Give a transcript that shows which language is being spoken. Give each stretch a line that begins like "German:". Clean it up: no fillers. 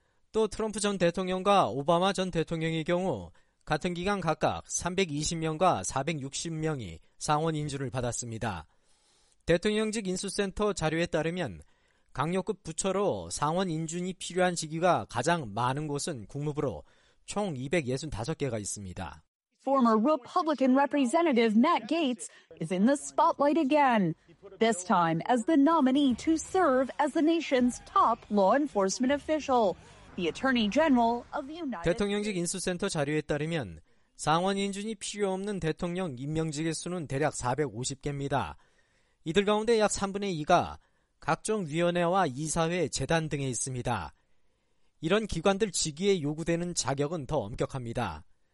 Korean: 또 트럼프 전 대통령과 오바마 전 대통령의 경우 같은 기간 각각 320명과 460명이 상원 인준을 받았습니다. 대통령직 인수센터 자료에 따르면 강력급 부처로 상원 인준이 필요한 직위가 가장 많은 곳은 국무부로 총 265개가 있습니다.
English: Former Republican Representative Matt Gaetz is in the spotlight again, this time as the nominee to serve as the nation's top law enforcement official. The Attorney General of the United States.
Korean: 대통령직 인수센터 자료에 따르면 상원 인준이 필요 없는 대통령 임명직의 수는 대략 450개입니다. 이들 가운데 약 3분의 2가 각종 위원회와 이사회, 재단 등에 있습니다. 이런 기관들 직위에 요구되는 자격은 더 엄격합니다.